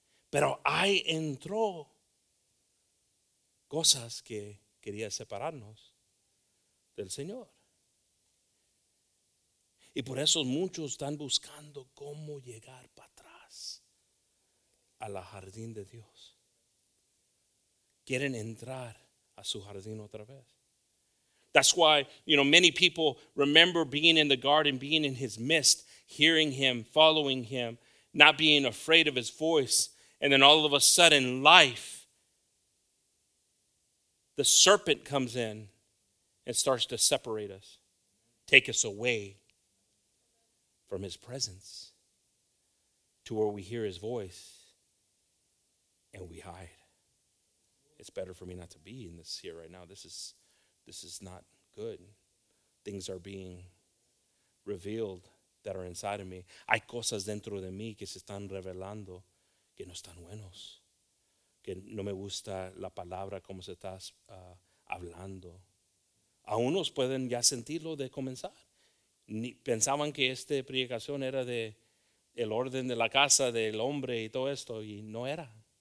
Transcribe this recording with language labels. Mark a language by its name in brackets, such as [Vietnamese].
[Spanish] Pero ahí entró cosas que quería separarnos del Señor. Y por eso muchos están buscando cómo llegar para atrás a la jardín de Dios. Quieren entrar a su jardín otra vez. [English] That's why, you know, many people remember being in the garden, being in his midst, hearing him, following him, not being afraid of his voice. And then all of a sudden, life, the serpent comes in and starts to separate us, take us away from his presence. to where we hear his voice and we hide. It's better for me not to be in this here right now. This is not good. Things are being revealed that are inside of me. [Spanish] Hay cosas dentro de mí que se están revelando que no están buenos. Que no me gusta la palabra como se está hablando. A unos pueden ya sentirlo de comenzar. Ni pensaban que esta predicación era de el orden de la casa del hombre y todo esto, y no era.